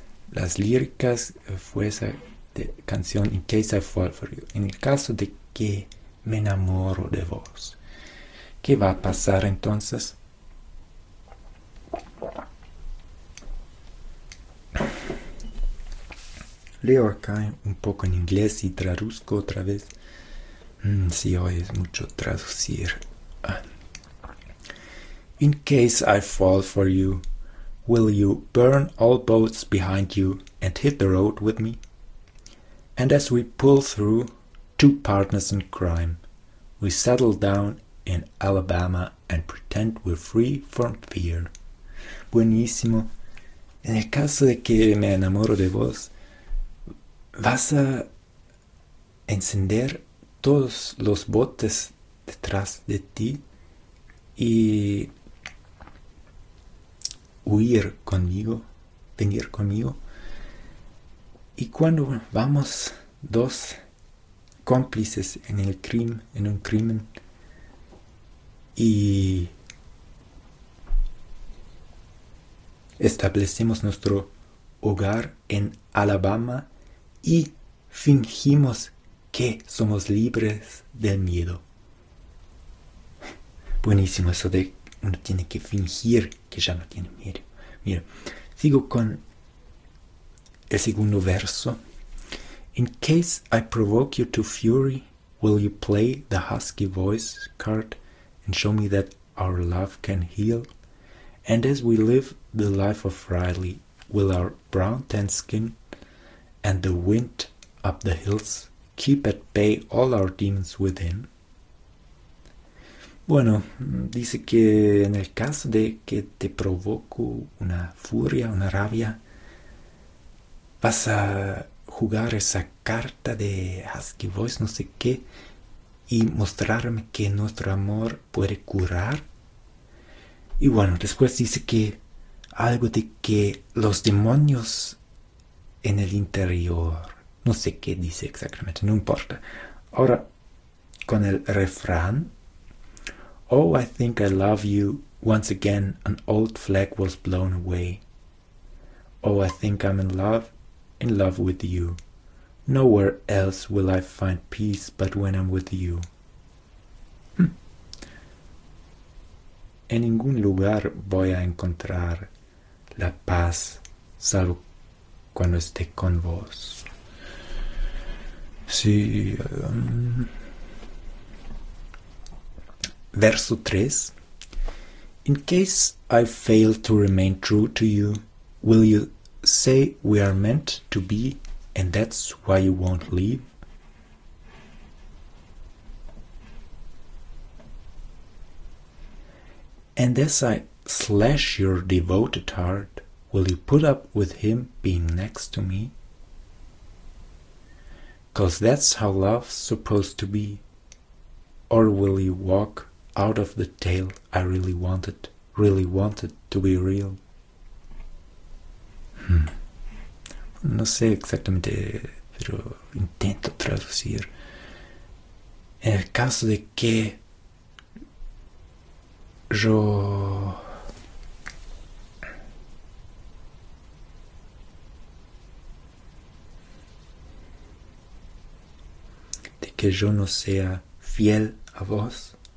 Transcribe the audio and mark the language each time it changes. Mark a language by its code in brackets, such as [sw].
[es] Las líricas fue esa canción In Case I Fall For You, en el caso de que me enamoro de vos, ¿qué va a pasar entonces? Leo acá un poco en inglés y traduzco otra vez. Sí, hoy es mucho traducir. [en] In case I fall for you, will you burn all boats behind you and hit the road with me? And as we pull through, two partners in crime, we settle down in Alabama and pretend we're free from fear. [es] Buenísimo. En el caso de que me enamoro de vos, vas a encender todos los botes detrás de ti y huir conmigo, venir conmigo. Y cuando vamos dos cómplices en el crimen, en un crimen, y establecemos nuestro hogar en Alabama y fingimos que somos libres del miedo. Buenísimo eso de uno tiene que fingir que ya no tiene miedo. Mira, sigo con el segundo verso. [en] In case I provoke you to fury, will you play the husky voice card and show me that our love can heal. And as we live the life of Riley, will our brown tan skin and the wind up the hills keep at bay all our demons within? [es] Bueno, dice que en el caso de que te provoco una furia, una rabia, vas a jugar esa carta de [en] husky voice, [es] no sé qué, y mostrarme que nuestro amor puede curar. Y bueno, después dice que algo de que los demonios en el interior, no sé qué dice exactamente, no importa. Ahora, con el refrán, [en] oh, I think I love you, once again an old flag was blown away. Oh, I think I'm in love with you. Nowhere else will I find peace but when I'm with you. [es] En ningún lugar voy a encontrar la paz salvo cuando esté con vos. Sí. Verso 3. [en] In case I fail to remain true to you, will you say we are meant to be and that's why you won't leave? And as I slash your devoted heart, will you put up with him being next to me? 'Cause that's how love's supposed to be. Or will you walk out of the tale I really wanted to be real? [es] No sé exactamente, pero intento traducir. En el caso de que yo no sea fiel a vos,